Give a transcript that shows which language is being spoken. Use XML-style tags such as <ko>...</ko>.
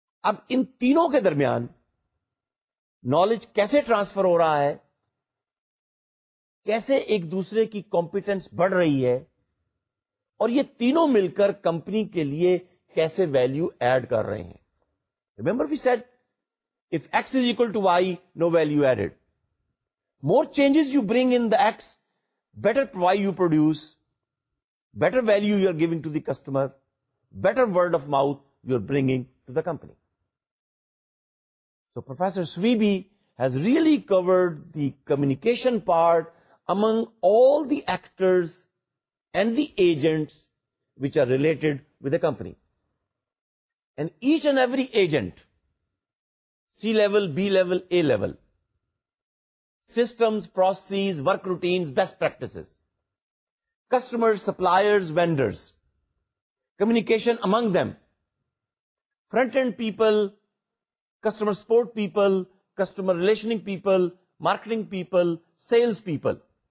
<ur>اب ان تینوں کے درمیان نالج کیسے ٹرانسفر ہو رہا ہے, کیسے ایک دوسرے کی کمپیٹنس بڑھ رہی ہے, اور یہ تینوں مل کر کمپنی کے لیے کیسے ویلیو ایڈ کر رہے ہیں.</ur> <en>Remember we said if X is equal to Y no value added, more changes you bring in the X better Y you produce, better value you are giving to the customer, better word of mouth you are bringing to the company. So Professor Swebe has really covered the communication part among all the actors and the agents which are related with the company. And each and every agent, C-level, B-level, A-level, systems, processes, work routines, best practices, customers, suppliers, vendors, communication among them, front-end people, customer support people, customer relationing people, marketing people, sales people.</en>